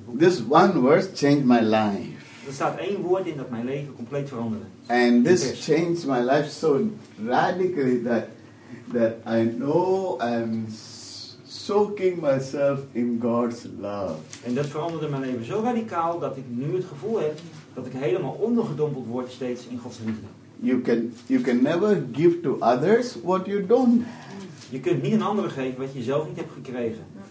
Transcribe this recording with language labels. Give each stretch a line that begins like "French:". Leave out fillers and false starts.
English: This one verse changed my life.
Dutch: Er staat één woord in dat mijn leven compleet veranderde.
English: And this changed my life so radically that I know I'm soaking myself in God's love.
Dutch: En dat veranderde mijn leven zo radicaal dat ik nu het gevoel heb dat ik helemaal ondergedompeld word steeds in Gods liefde.
English: You can never give to others what you don't have.
Dutch: Je kunt niet een ander geven wat je zelf niet hebt gekregen.